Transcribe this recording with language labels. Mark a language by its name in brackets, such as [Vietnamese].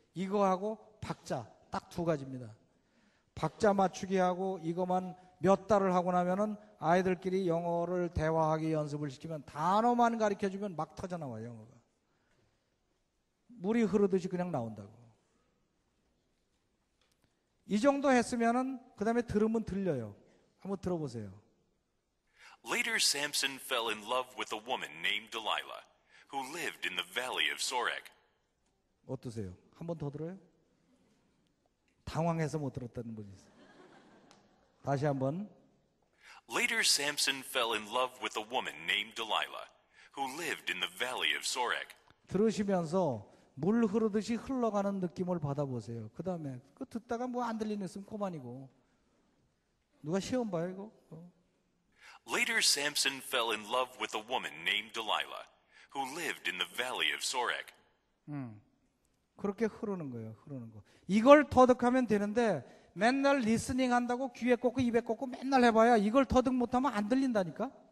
[Korean] 이거하고 박자 딱 두 가지입니다. 박자 맞추기하고 이것만 몇 달을 하고 나면은 아이들끼리 영어를 대화하기 연습을 시키면 단어만 가르쳐주면 막 터져나와요, 영어가. 물이 흐르듯이 그냥 나온다고. 이 정도 했으면은 그 다음에 들으면 들려요. 한번 들어보세요. [English] Later, Samson fell in love with a woman named Delilah, who lived in the valley of Sorek. [Korean] 어떠세요? 한번 더 들어요? 당황해서 못 들었다는 분이 있어요. 다시 한번. [English] Later, Samson fell in love with a woman named Delilah, who lived in the valley of Sorek. [Korean] 들으시면서 물 흐르듯이 흘러가는 느낌을 받아보세요. 그 다음에 그 듣다가 뭐 안 들리는 있으면 그만이고. 누가 시험 봐요, 이거? [English] Later, Samson fell in love with a woman named Delilah, who lived in the valley of Sorek. [Korean] 그렇게 흐르는 거예요, 흐르는 거. 이걸 터득하면 되는데 맨날 리스닝 한다고 귀에 꽂고 입에 꽂고 맨날 해봐야 이걸 터득 못하면 안 들린다니까.